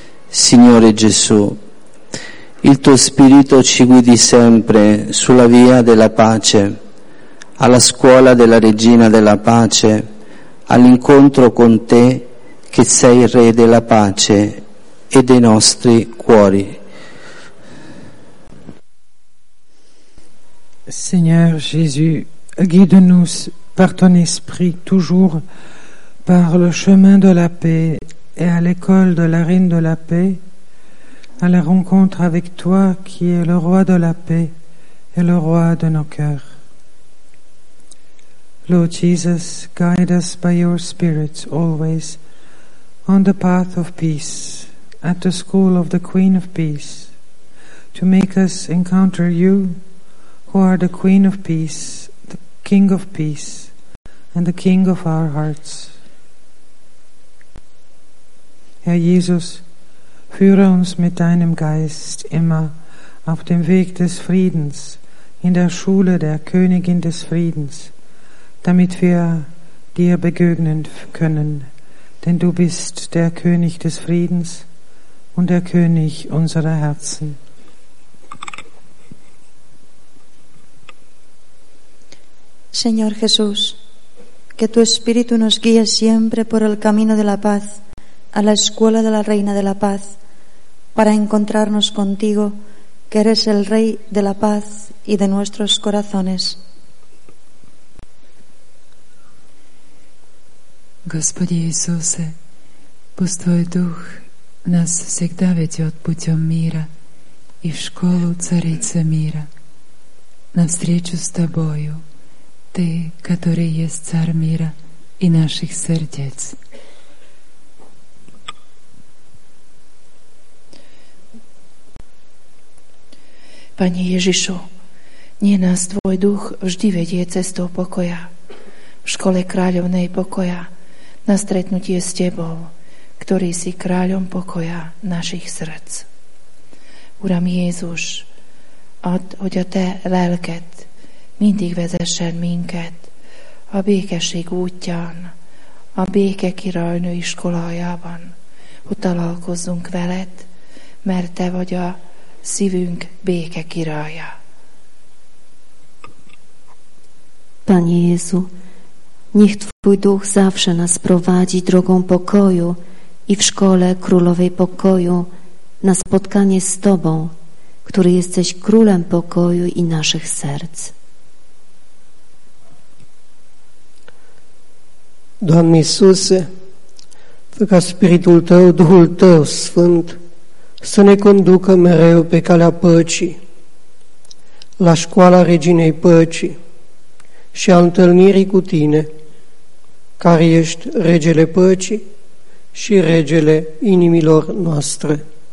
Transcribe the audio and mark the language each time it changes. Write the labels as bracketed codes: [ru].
[it] Signore Gesù, il Tuo Spirito ci guidi sempre sulla via della pace, alla scuola della Regina della Pace, all'incontro con Te che sei il Re della Pace e dei nostri cuori. [fr] Seigneur Jésus, guide-nous par ton esprit toujours par le chemin de la paix et à l'école de la Reine de la Paix, à la rencontre avec toi qui es le roi de la paix et le roi de nos cœurs. [en] Lord Jesus, guide us by your Spirit always on the path of peace, at the school of the Queen of Peace, to make us encounter you, who are the Queen of Peace, the King of Peace, and the King of our hearts. [de] Herr Jesus, führe uns mit deinem Geist immer auf dem Weg des Friedens, in der Schule der Königin des Friedens, damit wir dir begegnen können, denn du bist der König des Friedens und der König unserer Herzen. [es] Señor Jesús, que tu espíritu nos guíe siempre por el camino de la paz, a la escuela de la Reina de la Paz, para encontrarnos contigo, que eres el Rey de la Paz y de nuestros corazones. [ru] Господи Иисусе, пусть Твой Дух нас всегда ведет путем мира и в школу Царицы Мира, навстречу с Тобою, Ты, который есть Царь Мира и наших сердец. [sk] Panie Ježišu, nie nás Tvoj duch vždy vedie cestou pokoja. V škole kráľovnej pokoja, na stretnutie s Tebou, ktorý si kráľom pokoja našich srdc. [hu] Uram Jézus, add, hogy a Te lelked mindig vezessen minket a békesség útján, a béke királynői iskolájában, hogy találkozzunk veled, mert Te vagy a szívünk béke királya. [pl] Panie Jezu, niech Twój duch zawsze nas prowadzi drogą pokoju i w szkole królowej pokoju na spotkanie z Tobą, który jesteś królem pokoju i naszych serc. [ro] Doamne Iisuse, fă ca Spiritul Tău, Duhul Tău Sfânt, să ne conducă mereu pe calea păcii, la școala Reginei Păcii și a întâlnirii cu Tine, care ești Regele Păcii și Regele inimilor noastre.